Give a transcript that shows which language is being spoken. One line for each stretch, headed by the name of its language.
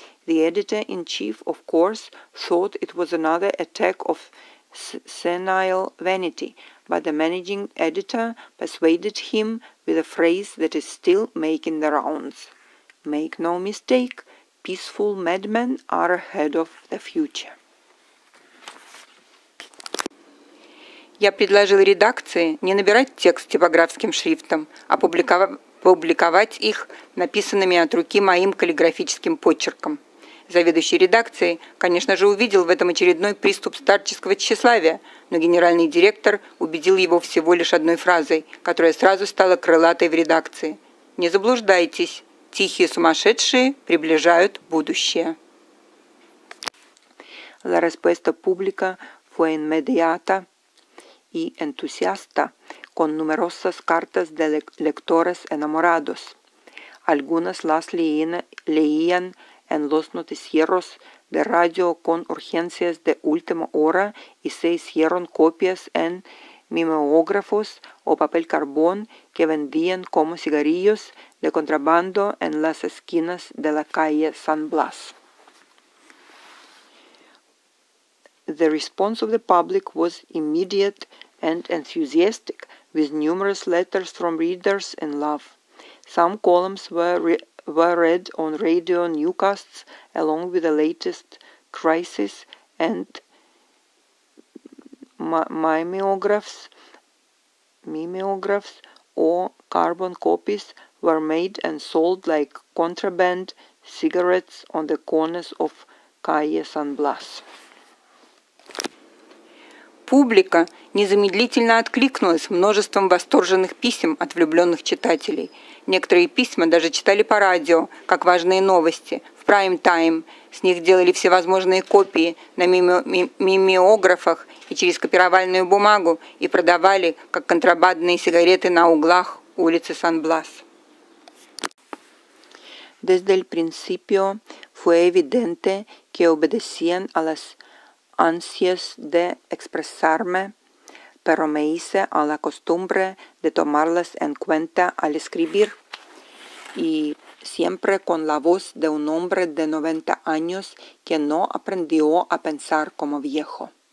English: The editor-in-chief, of course, thought it was another attack of senile vanity, but the managing editor persuaded him with a phrase that is still making the rounds. Make no mistake, peaceful madmen are ahead of the future.
Russian: Я предложил редакции не набирать текст типографским шрифтом, а публиковать их написанными от руки моим каллиграфическим почерком. Заведующий редакцией, конечно же, увидел в этом очередной приступ старческого тщеславия, но генеральный директор убедил его всего лишь одной фразой, которая сразу стала крылатой в редакции. Не заблуждайтесь. Тихие сумасшедшие приближают будущее.
Spanish: La respuesta pública fue inmediata y entusiasta, con numerosas cartas de lectores enamorados. Algunas las leían en los noticieros de radio con urgencias de última hora y se hicieron copias en mimeógrafos o papel carbón que vendían como cigarrillos de contrabando en las esquinas de la calle San Blas.
English: The response of the public was immediate and enthusiastic, with numerous letters from readers in love. Some columns were read on radio newscasts along with the latest crisis, and mimeographs or carbon copies were made and sold like contraband cigarettes on the corners of Calle San Blas.
Russian: Публика незамедлительно откликнулась множеством восторженных писем от влюбленных читателей. Некоторые письма даже читали по радио, как важные новости, в прайм-тайм. С них делали всевозможные копии на мимеографах и через копировальную бумагу и продавали, как контрабандные сигареты на углах улицы Сан-Блас.
Spanish: Desde el principio fue evidente que obedecían a las ansias de expresarme, pero me hice a la costumbre de tomarlas en cuenta al escribir. Y siempre con la voz de un hombre de 90 años que no aprendió a pensar como viejo.